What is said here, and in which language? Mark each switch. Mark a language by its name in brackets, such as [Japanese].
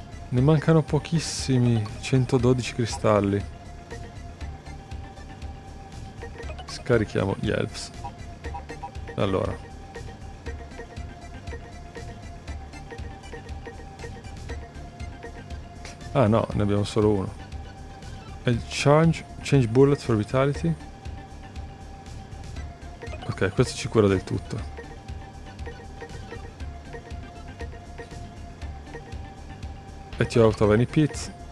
[Italian] Ne mancano pochissimi, 112 cristalli. Scarichiamo gli elves. Allora. Ah no, ne abbiamo solo uno. E [English] change bullet for vitality. [Italian] Ok, questo ci cura del tutto. [English] Let you out of any pits.